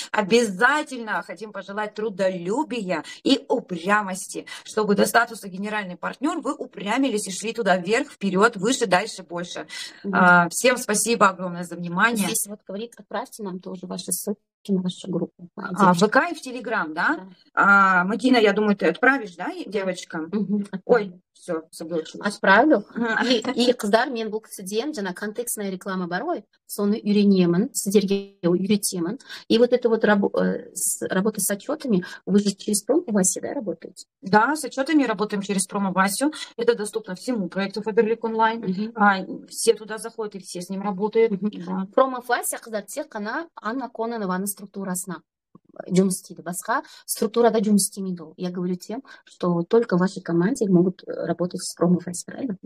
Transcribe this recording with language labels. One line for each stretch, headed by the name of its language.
Russian: Обязательно хотим пожелать трудолюбия и упрямости, чтобы до статуса генеральный партнер вы упрямились и шли туда вверх, вперед, выше, дальше, больше. Всем спасибо огромное за внимание. Здесь вот говорит, отправьте нам тоже ваши ссылки. нашу группу, ВК девочки. и в Телеграм, да? Мадина, я думаю, ты отправишь, да, девочкам? Ой, все, забылчилась. Отправлю.
Kazakh: И қыздар мен бұл кісіден жаңа контекстная реклама бар ғой, соны үйренемін, сіздерге үйретемін.
Russian: И вот это вот работа с отчетами, вы же через промо у вас всегда работаете. Да, с отчетами работаем через промо-басю. Это доступно всему проекту Фаберлик Онлайн. Все туда заходят и все с ним работают. Да.
Kazakh: Промо-фасия қыздар тек қана Анна Кононованың структурасына жұмыс істейді, басқа структурада жұмыс істемейді ол.
Russian: Я говорю тем, что только в вашей команде могут работать с промо-фасией, правильно?